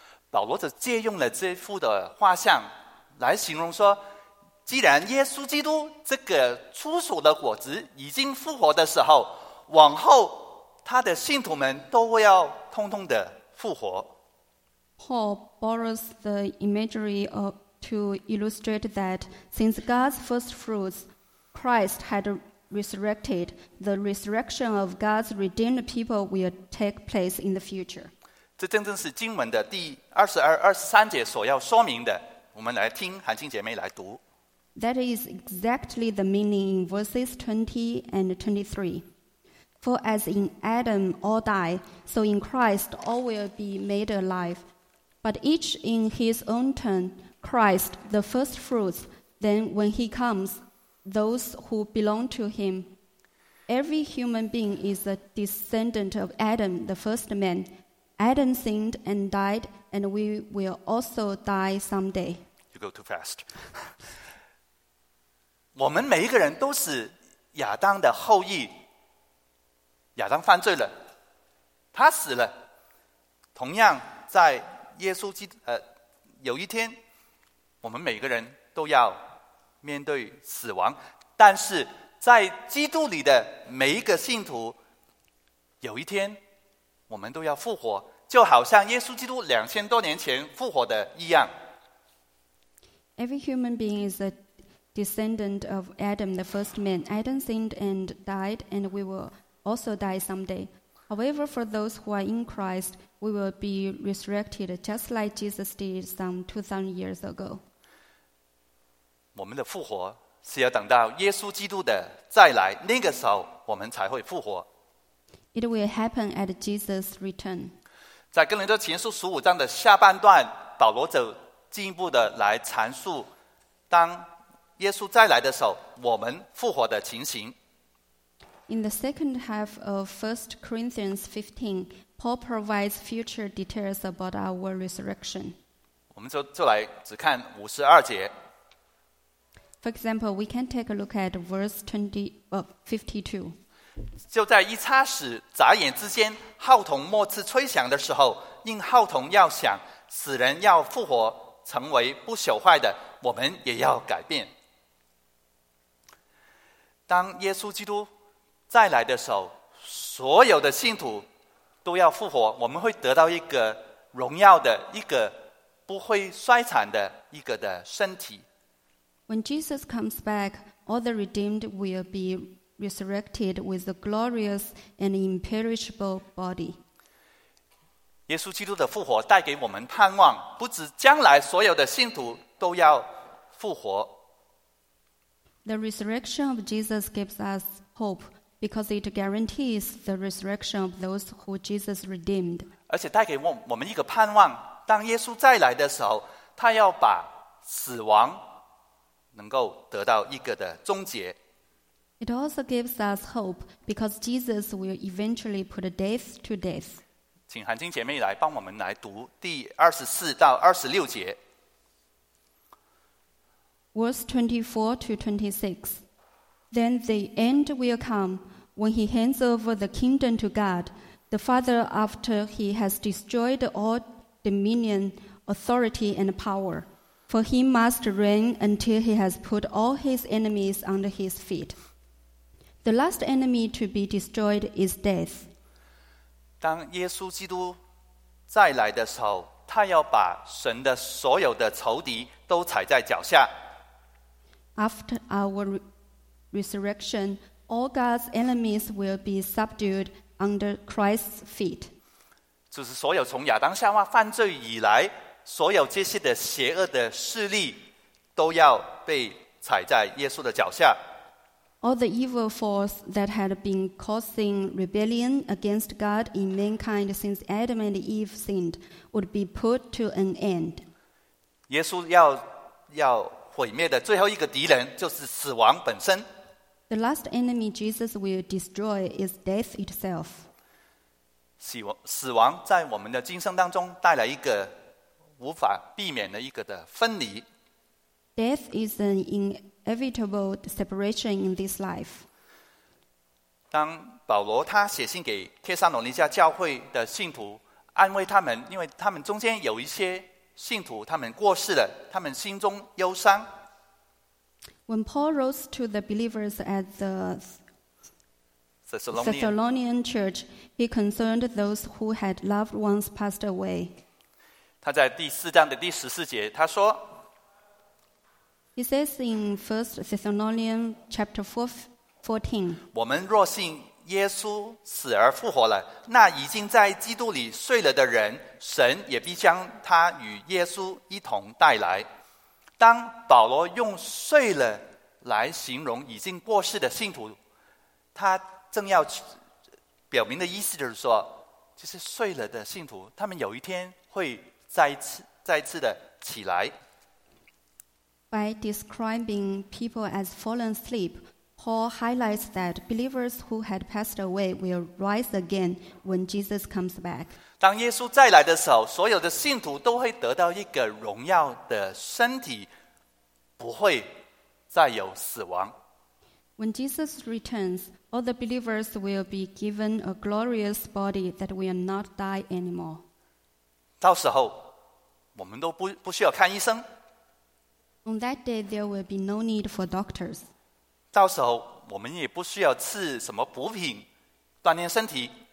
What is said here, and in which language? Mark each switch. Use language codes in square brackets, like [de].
[zh] 保罗则借用了这幅的画像来形容说，既然耶稣基督这个出手的果子已经复活的时候，往后他的信徒们都会要通通的复活。 [en] Paul borrows the imagery to illustrate that since God's first fruits, Christ had resurrected, the resurrection of God's redeemed people will take place in the future. [zh] 这真正是经文的第22、23节所要说明的。我们来听韩青姐妹来读。 [en] That is exactly the meaning in verses 20 and 23. For as in Adam all die, so in Christ all will be made alive. But each in his own turn, Christ, the first fruits, then when he comes, those who belong to him. Every human being is a descendant of Adam, the first man. Adam sinned and died, and we will also die someday. You go too fast. [zh] 我们每一个人都是亚当的后裔。亚当犯罪了，他死了。同样在耶稣基督有一天我们每个人都要面对死亡，但是在基督里的每一个信徒有一天我们都要复活，就好像耶稣基督2000多年前复活的一样。 [en] Every human being is a descendant of Adam, the first man. Adam sinned and died, and we will also die someday. However, for those who are in Christ, we will be resurrected just like Jesus did some 2,000 years ago. [zh] 我们的复活是要等到耶稣基督的再来，那个时候我们才会复活。 [en] It will happen at Jesus' return. [zh] 在哥林多前书15章的下半段，保罗就进一步的来阐述当耶稣再来的时候我们复活的情形。 [en] In the second half of 1 Corinthians 15, Paul provides future details about our resurrection. [zh] 我们就来只看52节。 [en] For example, we can take a look at verse 52. [zh] 就在一刹时，眨眼之间，号筒末次吹响的时候，因号筒要响，死人要复活，成为不朽坏的，我们也要改变。当耶稣基督再来的时候，所有的信徒都要复活，我们会得到一个荣耀的、一个不会衰残的一个的身体。 [en] When Jesus comes back, all the redeemed will be resurrected with a glorious and imperishable body. [zh] 耶稣基督的复活带给我们盼望，不止将来所有的信徒都要复活。 [en] The resurrection of Jesus gives us hope because it guarantees the resurrection of those who Jesus redeemed. [zh] 而且带给我们一个盼望，当耶稣再来的时候，他要把死亡能够得到一个的终结。 [en] It also gives us hope because Jesus will eventually put death to death. [zh] 请韩青姐妹来帮我们来读第24-26节。 [en] Verse 24-26. Then the end will come when he hands over the kingdom to God, the Father, after he has destroyed all dominion, authority, and power. For he must reign until he has put all his enemies under his feet. The last enemy to be destroyed is death. [zh] 当耶稣基督再来的时候，他要把神的所有的仇敌都踩在脚下。 [en] After our resurrection, all God's enemies will be subdued under Christ's feet. [zh] 就是所有从亚当夏娃犯罪以来，所有这些的邪恶的势力都要被踩在耶稣的脚下。 [en] All the evil force that had been causing rebellion against God in mankind since Adam and Eve sinned would be put to an end. [zh] 耶稣要毁灭的最后一个敌人就是死亡本身。 [en] The last enemy Jesus will destroy is death itself. [zh] 死亡在我们的今生当中带来一个无法避免的一个的分离。 [en] Death is an inevitable separation in this life. [zh] 当保罗他写信给帖撒罗尼迦教会的信徒，安慰他们，因为他们中间有一些信徒他们过世了，他们心中忧伤。 [en] When Paul wrote to the believers at the Thessalonian church, he concerned those who had loved ones passed away. [zh] 他在第四章的第十四节，他说 [en] ，He says in First Thessalonians chapter 4:14, [zh] 我们若信耶稣死而复活了，那已经在基督里睡了的人，神也必将他与耶稣一同带来。当保罗用睡了来形容已经过世的信徒，他正要表明的意思就是说，就是睡了的信徒，他们有一天会再次的起来。 [en] By describing people as fallen asleep, Paul highlights that believers who had passed away will rise again when Jesus comes back. [zh] 当耶稣再来的时候，所有的信徒都会得到一个荣耀的身体，不会再有死亡。 [en] When Jesus returns, all the believers will be given a glorious body that will not die anymore. [zh] 到时候我们都不需要看医生。 [en] On that day, there will be no need for doctors. [zh] 到时候我们也不需要吃什么补品锻炼身体。